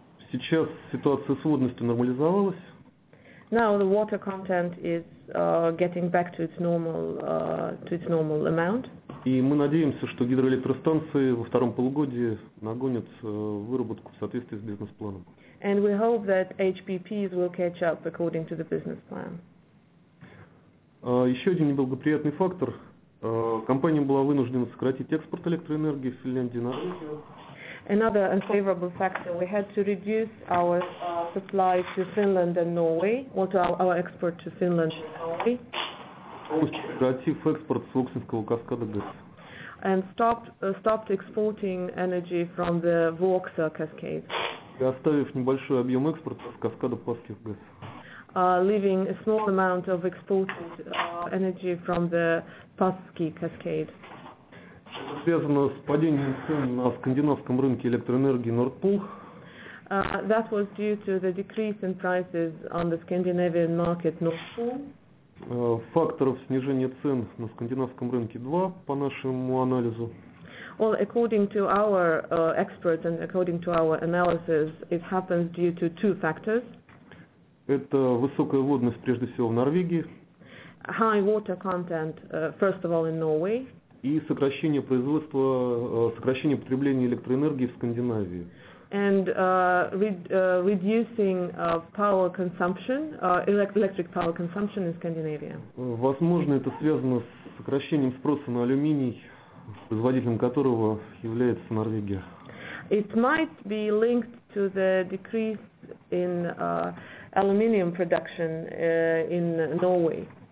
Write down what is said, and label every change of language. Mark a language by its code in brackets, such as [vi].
[ru] Сейчас ситуация с водностью нормализовалась. [en] Now the water content is getting back to its normal amount. [ru] И мы надеемся, что гидроэлектростанции во втором полугодии нагонят выработку в соответствии с бизнес-планом. [en] And we hope that HPPs will catch up according to the business plan. [ru] Еще один неблагоприятный фактор. Компания была вынуждена сократить экспорт электроэнергии в Финляндию на Россию. [en] Another unfavorable factor. We had to reduce our supply to Finland and Norway, or to our export to Finland and Norway. And stopped exporting energy from the Vuoksa cascade. [ru] И оставив небольшой объем экспорта с каскада Паских ГЭС. [en] Leaving a small amount of exported energy from the Paski cascade. [ru] Это связано с падением цен на скандинавском рынке электроэнергии Nord Pool. [en] That was due to the decrease in prices on the Scandinavian market Nord Pool. [ru] Факторов снижения цен на скандинавском рынке 2, по нашему анализу. [en] Well, according to our experts and according to our analysis, it happens due to two factors. [ru] Это высокая водность, прежде всего, в Норвегии. [en] High water content, first of all, in Norway. [ru] И сокращение потребления электроэнергии в Скандинавии. [en] and reducing power consumption, electric power consumption in Scandinavia. [ru] Возможно, это связано с сокращением спроса на алюминий, производителем которого является Норвегия. [en] It might be linked to the decrease in aluminium production in Norway.